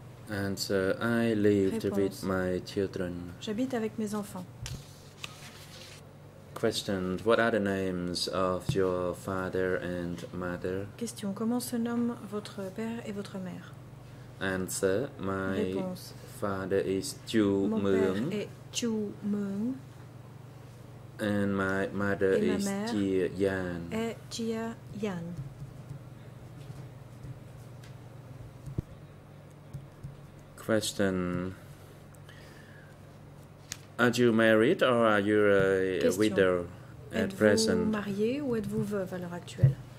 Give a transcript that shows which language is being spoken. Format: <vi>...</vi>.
<en>Answer. I live</en> <fr>réponse.</fr> <en>With my children.</en> <fr>J'habite avec mes enfants.</fr> <en>Question. What are the names of your father and mother?</en> <fr>Question. Comment se nomment votre père et votre mère?</fr> <en>Answer. My</en> <fr>réponse.</fr> <en>Father is Chu</en> <fr>Moeurng. Mon père est Chu Moeurng.</fr> <en>And my mother is Jia Yan.</en> <fr>Et Jia Yan.</fr> <en>Question. Are you married or are you a widow at present?</en> <fr>Êtes-vous marié ou êtes-vous veuve à l'heure actuelle?</fr>